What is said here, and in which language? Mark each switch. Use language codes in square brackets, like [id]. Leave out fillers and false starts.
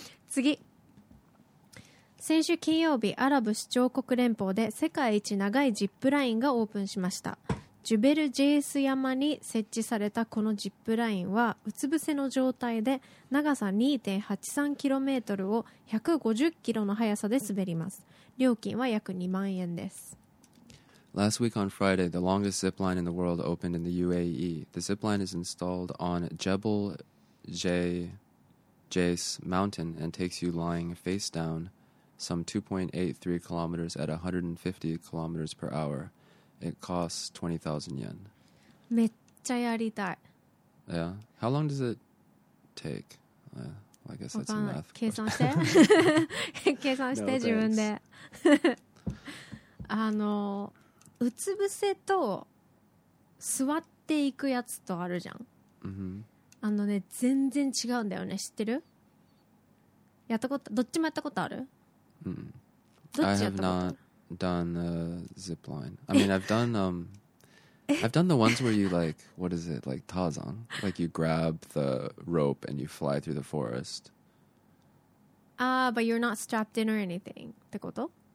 [ja] 次。先週金曜日、アラブ首長国連邦で世界一長いジップラインがオープンしました。ジュベルジェイス山に設置されたこのジップラインは、うつ伏せの状態で長さ 2.83km を 150km の速さで滑ります。料金は約2万円です。 [en] Last week on Friday, the longest zip line in the world opened in the UAE. The zip line is installed on Jebel Jais Mountain and takes you lying face down. Some 2.83 kilometers at 150 kilometers per hour. It costs 20,000 yen. [ja] めっちゃやりたい。 [en] Yeah. How long does it take? I guess that's a math question. [ja] 計算して。計算して自分で。うつ伏せと座っていくやつとあるじゃん。 Mm-hmm. 全然違うんだよね。知ってる？やったこと、どっちもやったことある？ [en] I have not done a zip line. I mean, I've done the ones where you like, what is it, like Tarzan? Like you grab the rope and you fly through the forest. But you're not strapped in or anything, [ja] ってこと?